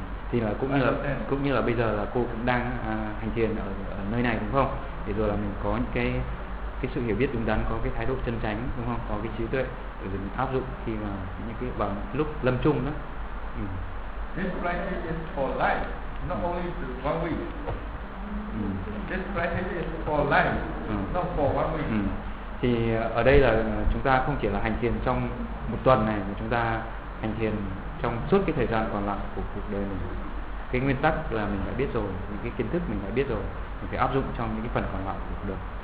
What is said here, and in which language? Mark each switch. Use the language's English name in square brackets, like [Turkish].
[Vietnamese] Thì là cũng như là bây giờ là cô cũng đang hành thiền ở nơi này, đúng không? Thì rồi là mình có những cái sự hiểu biết đúng đắn, có cái thái độ chân chánh, đúng không? Có cái trí tuệ để mình áp dụng khi mà những cái vào lúc lâm chung đó. [English] This practice is for life, not only for one week. This practice is for life, not for one week. [Vietnamese] Thì ở đây là chúng ta không chỉ là hành thiền trong một tuần này, mà chúng ta hành thiền trong suốt cái thời gian còn lại của cuộc đời mình. Cái nguyên tắc là mình đã biết rồi, những cái kiến thức mình đã biết rồi, mình phải áp dụng trong những cái phần còn lại của cuộc đời.